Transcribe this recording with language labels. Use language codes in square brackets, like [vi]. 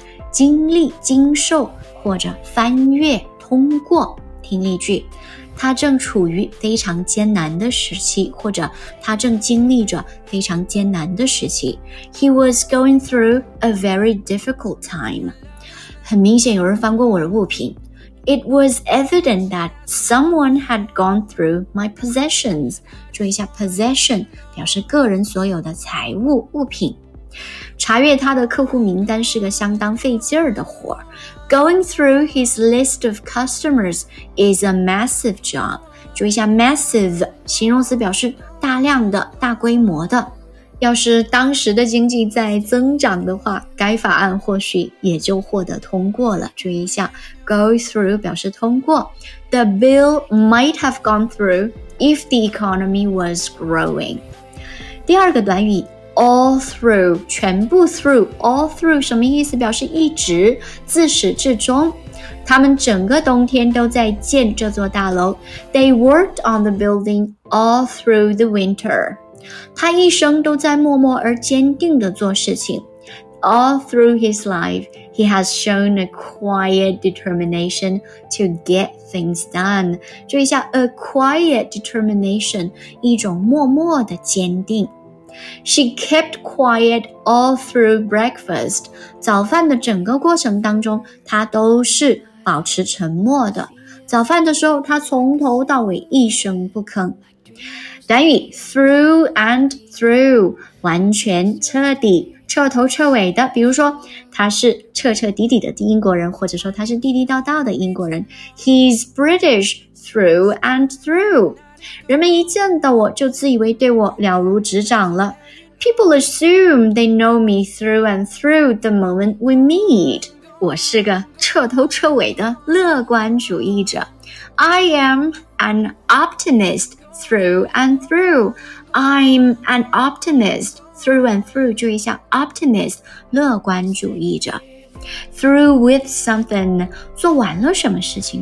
[zh] 经历、经受或者翻越、通过。听例句。他正处于非常艰难的时期，或者他正经历着非常艰难的时期。 [en] He was going through a very difficult time. [zh] 很明显有人翻过我的物品。 [en] It was evident that someone had gone through my possessions. [zh] 注意一下 possession 表示个人所有的财物、物品。查阅他的客户名单是个相当费劲儿的活儿。 [en] Going through his list of customers is a massive job. [zh] 注意一下 massive, 形容词表示大量的、大规模的。要是当时的经济在增长的话，该法案或许也就获得通过了。注意一下 [en] go through [zh] 表示通过。 [en] The bill might have gone through if the economy was growing. [zh] 第二个短语 [en] All through, [zh] 全部 through, [en] all through [zh] 什么意思？表示一直，自始至终。他们整个冬天都在建这座大楼。 [en] They worked on the building all through the winter. [zh] 他一生都在默默而坚定地做事情。 [en] All through his life, he has shown a quiet determination to get things done. [zh] 注意一下 [en] a quiet determination, [zh] 一种默默的坚定。 [en] She kept quiet all through breakfast. [zh] 早饭的整个过程当中，她都是保持沉默的。早饭的时候，她从头到尾一声不吭。短语 [en] through and through, [zh] 完全彻底，彻头彻尾的。比如说，她是彻彻底底的英国人，或者说她是地地道道的英国人。 [en] He's British through and through. [zh] 人们一见到我就自以为对我了如指掌了。 [en] People assume they know me through and through the moment we meet. [zh] 我是个彻头彻尾的乐观主义者。 [en] I am an optimist through and through. I'm an optimist through and through. [zh] 注意一下 [en] optimist, [zh] 乐观主义者。 [en] Through with something, [zh] 做完了什么事情？